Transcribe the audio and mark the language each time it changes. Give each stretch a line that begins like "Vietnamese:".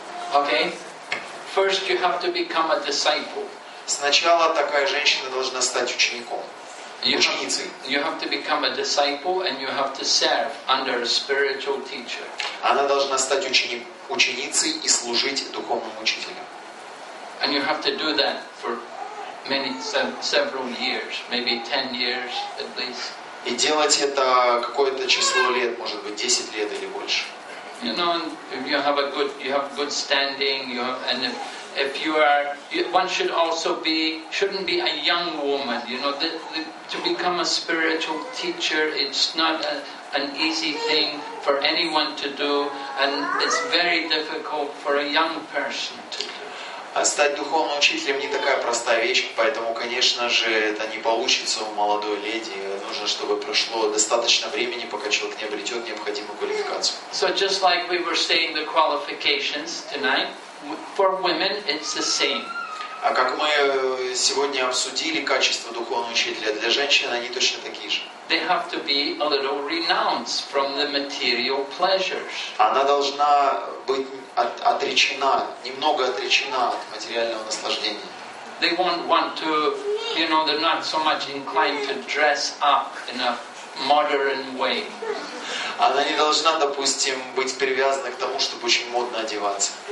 English: Okay, first you have to become a disciple.
Russian: Сначала такая женщина должна стать учеником, ученицей.
English: You have to become a disciple and you have to serve under a spiritual teacher.
Russian: Она должна стать ученицей и служить духовным учителем.
English: And you have to do that for many, several years, maybe 10 years at least.
Russian: И делать это какое-то число лет, может быть, 10 лет или больше.
English: You know, if you have a good, you have good standing, you have, and if you are, one should also be, shouldn't be a young woman, you know, to become a spiritual teacher, it's not an easy thing for anyone to do, and it's very difficult for a young person to do.
Russian: А стать духовным учителем не такая простая вещь, поэтому, конечно же, это не получится у молодой леди. Нужно, чтобы прошло достаточно времени, пока человек не обретет необходимую квалификацию.
English: So just like we were saying the qualifications tonight, for women it's the same.
Russian: А как мы сегодня обсудили качество духовного учителя, для женщин они точно такие же.
English: They have to be a little renounced from the material pleasures.
Russian: Она должна быть отречена, немного отречена от материального наслаждения.
English: They won't want to, you know, they're not so much inclined to dress up in a modern way.
Russian: Она не должна, допустим, быть привязана к тому, чтобы очень модно одеваться.